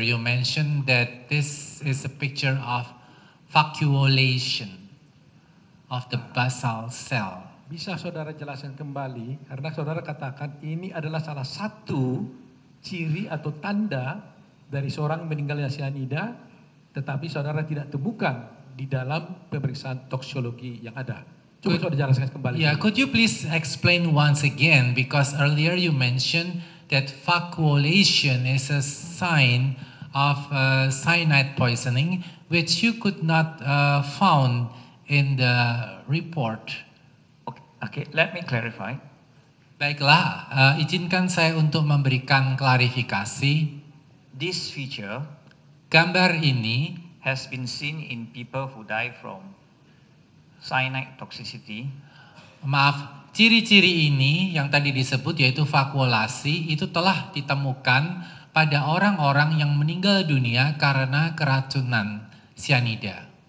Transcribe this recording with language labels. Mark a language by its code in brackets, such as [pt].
[en] You mentioned that this is a picture of vacuolation of the basal cell. [id] bisa saudara jelaskan kembali, karena saudara katakan ini adalah salah satu ciri atau tanda dari seorang meninggalnya sianida, tetapi saudara tidak temukan di dalam pemeriksaan toksikologi yang ada. Coba saudara jelaskan kembali. [en] Yeah, could you please explain once again, because earlier you mentioned that vacuolation is a sign of cyanide poisoning, which you could not found in the report. Okay, let me clarify. [id] Baiklah, izinkan saya untuk memberikan klarifikasi. [en] This feature, [id] gambar ini, [en] has been seen in people who die from cyanide toxicity. [id] Maaf, ciri-ciri ini yang tadi disebut yaitu vakuolasi itu telah ditemukan pada orang-orang yang meninggal dunia karena keracunan sianida.